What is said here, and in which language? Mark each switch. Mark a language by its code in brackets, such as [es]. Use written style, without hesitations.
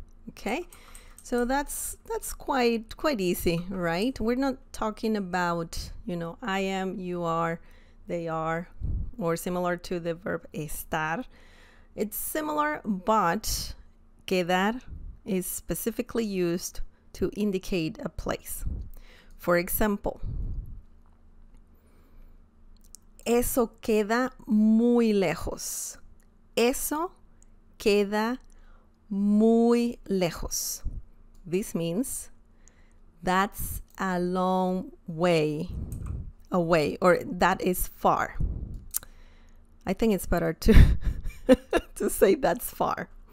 [en] Okay, so that's quite easy, right? We're not talking about, you know, I am, you are, they are, or similar to the verb estar. It's similar, but quedar is specifically used to indicate a place. For example, [es] eso queda muy lejos. Eso queda muy lejos. [en] This means that's a long way away, or that is far. I think it's better to to say that's far.